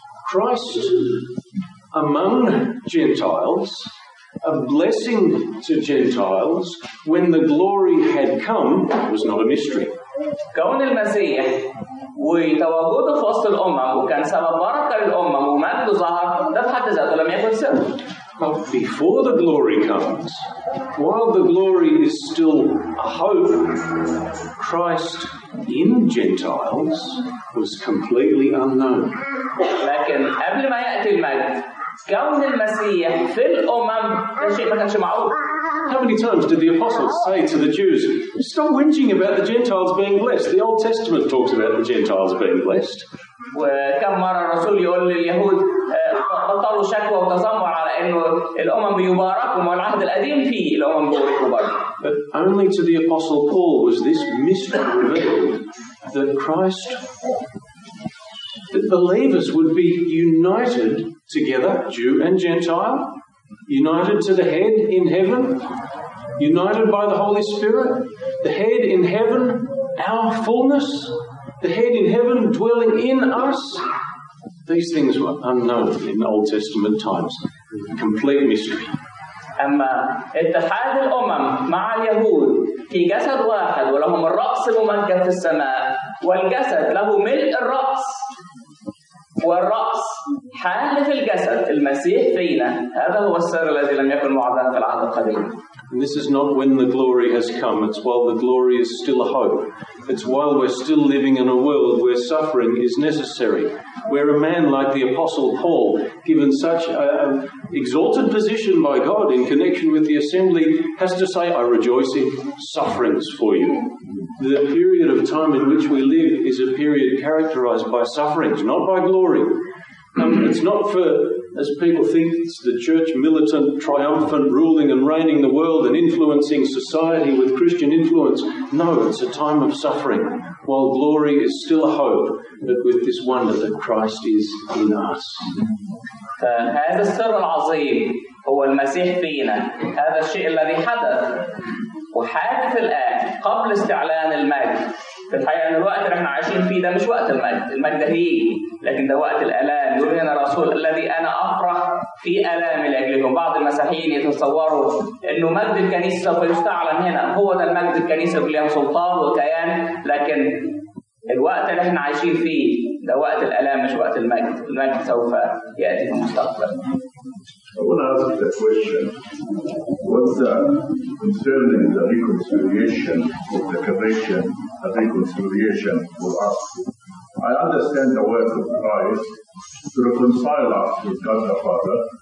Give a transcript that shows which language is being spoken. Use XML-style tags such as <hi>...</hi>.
<en>Christ among Gentiles, a blessing to Gentiles, when the glory had come, was not a mystery.</en> <ar>كون المسيح وتواجده في وسط الأمم وكان سبب بركة للأمم ومجده ظهر ده في حد ذاته لم يكن سر.</ar> <en>But before the glory comes, while the glory is still a hope, Christ in Gentiles was completely unknown.</en> <ar>لكن قبل ما يأتي المجد كون المسيح في الأمم ده شيء ما كانش معروف.</ar> <en>How many times did the apostles say to the Jews, stop whinging about the Gentiles being blessed? The Old Testament talks about the Gentiles being blessed.</en> <ar>كم مرة الرسول يقول لليهود بطلوا شكوى وتذمر على انه الامم بيباركوا مع العهد القديم فيه الامم بيباركوا برضه.</ar> <en>But only to the Apostle Paul was this mystery revealed that Christ, that believers would be united together, Jew and Gentile, united to the head in heaven, united by the Holy Spirit, the head in heaven, our fullness, the head in heaven dwelling in us. These things were unknown in the Old Testament times. Complete mystery.</en> <ar>أما اتحاد الأمم مع اليهود في جسد واحد ولهم الرأس الممجد في السماء والجسد له ملء الرأس والرأس حال في الجسد المسيح فينا هذا هو السر الذي لم يكن معلنا في العهد القديم.</ar> <en>And this is not when the glory has come. It's while the glory is still a hope. It's while we're still living in a world where suffering is necessary, where a man like the Apostle Paul, given such an exalted position by God in connection with the assembly, has to say, I rejoice in sufferings for you. The period of time in which we live is a period characterized by sufferings, not by glory. It's not for, as people think, it's the church militant, triumphant, ruling and reigning the world and influencing society with Christian influence. No, it's a time of suffering, while glory is still a hope, but with this wonder that Christ is in us.</en> <ar>هذا السر العظيم هو المسيح فينا. هذا الشيء الذي حدث وحادث الآن قبل استعلان المجد. في الحقيقة أن الوقت اللي احنا عايشين فيه ده مش وقت المجد. المجد ده هي. لكن ده وقت الآلام. يقولنا الرسول الذي أنا أفرح في آلامي لأجلكم. بعض المسيحيين يتصوروا أنه مجد الكنيسة سوف يستعلن هنا. هو ده المجد الكنيسة بليان سلطان وكيان. لكن الوقت اللي احنا عايشين فيه ده وقت الآلام مش وقت المجد. المجد سوف يأتي في المستقبل.</ar> <en>I want to ask the question, what's that concerning the reconciliation of the creation, a reconciliation for us? I understand the work of Christ to reconcile us with God the Father.</en>